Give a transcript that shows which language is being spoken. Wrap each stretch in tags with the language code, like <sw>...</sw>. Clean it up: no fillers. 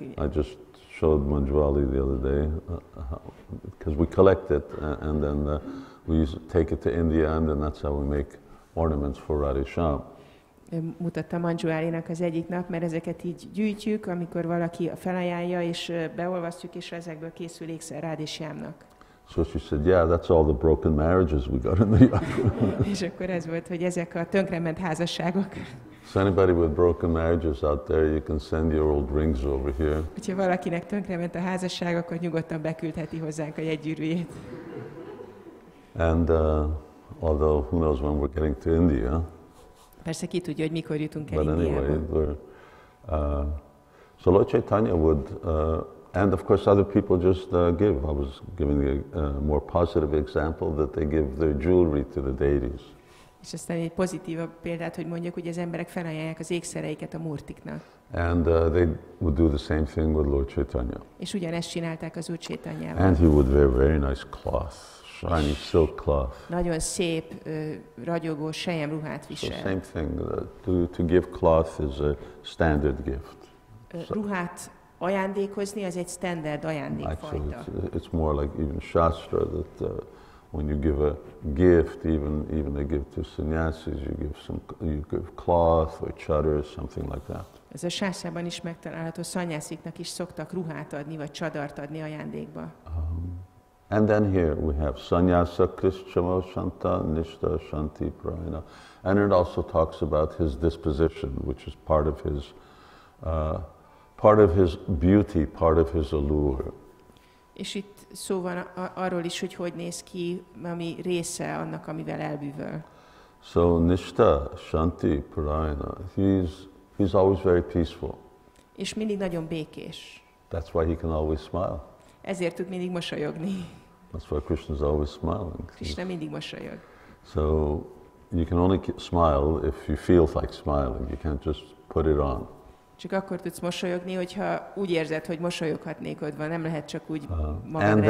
<en>I just showed Manjwali the other day, because we collect it, and then we take it to India, and then that's how we make ornaments for Radhe Shyam.</en> <hu>Mutattam Manjwalinak az egyik nap, mert ezeket így gyűjtjük, amikor valaki felajánlja, és beolvasztjuk, és ezekből készül ékszer Radhe Shyamnak.</hu> <en>So she said, yeah, that's all the broken marriages we got in the yard.</en> <hu>És akkor ez volt, hogy ezek a tönkrement házasságok.</hu> <en>So anybody with broken marriages out there, you can send your old rings over here.</en> <hu>Hogyha valakinek tönkrement a házasság, akkor nyugodtan beküldheti hozzánk a jegygyűrűjét.</hu> <en>And although who knows when we're getting to India.</en> <hu>Persze ki tudja, hogy mikor jutunk el</hu> <en>Indiába. But anyway, so Lord Chaitanya would and of course other people just give. I was giving a more positive example that they give their jewelry to the deities.</en> <hu>És aztán egy pozitívabb példát, hogy mondjuk, hogy az emberek felajánlják az ékszereiket a murtiknak.</hu> <en>And they would do the same thing with Lord Chaitanya.</en> <hu>És ugyanezt csinálták az Úr Chaitanyával.</hu> <en>And he would wear very nice cloth, shiny silk cloth.</en> <hu>Nagyon szép, ragyogó selyem ruhát visel.</hu> <en>So same thing, to give cloth is a standard gift.</en> <hu>Ruhát ajándékozni, az egy standard ajándékfajta.</hu> <en>Actually, it's more like even Shastra, that when you give a gift, even a gift to sannyasis, you give cloth or chadar, something like that.</en> <hu>Ez a Shastrában is megtalálható, sannyasiknak is szoktak ruhát adni, vagy csadart adni ajándékba.</hu> <en>And then here we have</en> <sa>sannyasa krishchamo shanta nishta shanti prayana.</sa> <en>And it also talks about his disposition, which is part of his beauty, part of his allure.</en> <hu>És itt szó van arról is, hogy hogy néz ki, ami része annak, amivel elbűvöl.</hu> <en>So nishta shanti prayana, he's always very peaceful.</en> <hu>És mindig nagyon békés.</hu> <en>That's why he can always smile.</en> <hu>Ezért tud mindig mosolyogni.</hu> <en>That's why Krishna is always smiling.</en> <hu>Krishna mindig mosolyog.</hu> <en>So you can only smile if you feel like smiling. You can't just put it on.</en> <hu>Csak akkor tudsz mosolyogni, hogyha úgy érzed, hogy mosolyoghatnék ott van. Nem lehet csak úgy magadra</hu>